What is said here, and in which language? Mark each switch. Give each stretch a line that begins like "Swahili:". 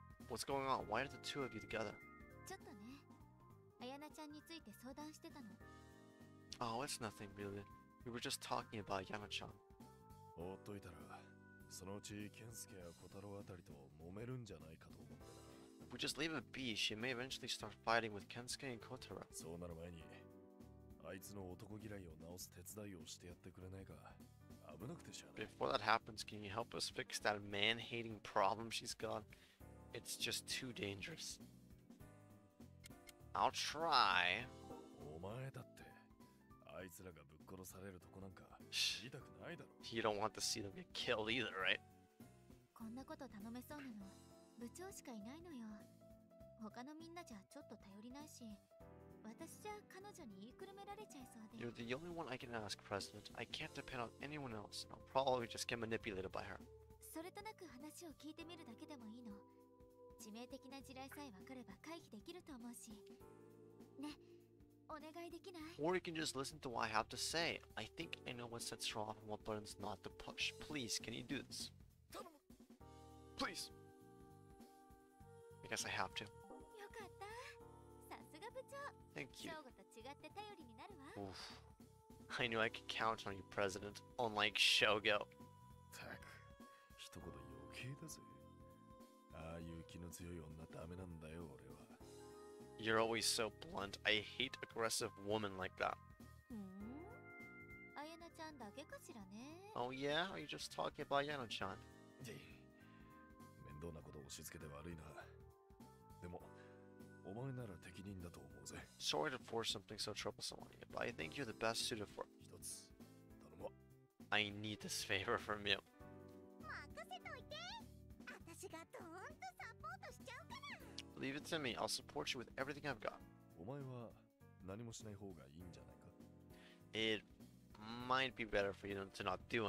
English: What's going on? Why are the two of you together?
Japanese: ちょっとね。アヤナちゃんについて相談してたの。
English: Oh, it's nothing really. We were just talking about Yana-chan.
Japanese: 放っといたら、そのうちケンスケやコタロあたりと揉めるんじゃないかと思ってな。 If we just leave it be, she may eventually start fighting with Kensuke and Kotaro. そうなる前に、あいつの男嫌いを直す手伝いをしてやってくれないか。危なくてしゃあない。
English: Before that happens, can you help us fix that man-hating problem she's got? It's just too dangerous. I'll try.
Japanese: お前だって、あいつらがぶっ殺されるとこなんか知りたくないだろ。
English: You don't want to see them get killed either, right?
Japanese: こんなこと頼めそうなの。部長しかいないのよ。他のみんなじゃちょっと頼りないし、私じゃ彼女に言いくるめられちゃいそうで。
English: You're the only one I can ask, President. I can't depend on anyone else. I'll probably just get manipulated by her.
Japanese: それとなく話を聞いてみるだけでもいいの。致命的な地雷さえ分かれば回避できると思うし。ね、お願いできない？
English: Or you can just listen to what I have to say. I think I know what sets her off and what buttons not to push. Please, can you do this?
Japanese: 頼む。
English: Please! I guess I have to.
Japanese: よかった。さすが部長。
English: Thank you.
Japanese: 相互と違って頼りになるわ。 Oof.
English: I knew I could count on you, President. Unlike Shogo.
Japanese: たく、一言余計だぜ。ああいう気の強い女ダメなんだよ、俺は。
English: You're always so blunt. I hate aggressive women like that.
Japanese: あやなちゃんだけかしらね。
English: Oh yeah? Are you just talking about Yana-chan?
Japanese: 面倒なことを押し付けて悪いな。でも、お前なら適任だと思うぜ。
English: Sorry to force something so troublesome on you, but I think you're the best suited for it.
Japanese: 一つ、頼むわ。
English: I need this favor from you.
Japanese: 任せといて！私がどーんとサポートしちゃうから！
English: Leave it to me. I'll support you with everything I've got.
Japanese: お前は何もしない方がいいんじゃないか？
English: It might be better for you to not do anything.